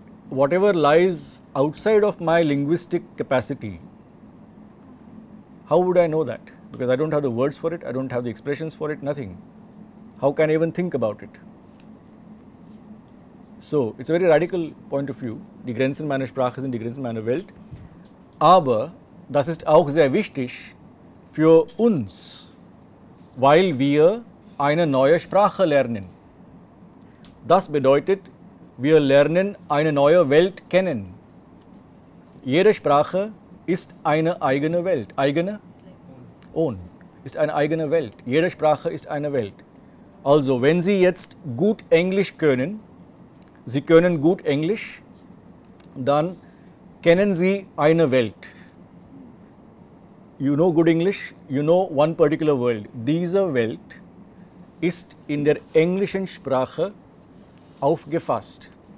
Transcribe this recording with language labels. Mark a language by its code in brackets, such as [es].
[en] Whatever lies outside of my linguistic capacity, how would I know that? Because I don't have the words for it, I don't have the expressions for it, nothing. How can I even think about it? So, it's a very radical point of view. [de] Die Grenzen meiner Sprache sind die Grenzen meiner Welt. Aber das ist auch sehr wichtig für uns, weil wir eine neue Sprache lernen. Das bedeutet, wir lernen eine neue Welt kennen. Jede Sprache ist eine eigene Welt. Eigene? Own. Ist eine eigene Welt. Jede Sprache ist eine Welt. Also, wenn Sie jetzt gut Englisch können, Sie können gut Englisch, dann kennen Sie eine Welt. [en] You know good English, you know one particular world. [de] Diese Welt ist in der englischen Sprache aufgefasst.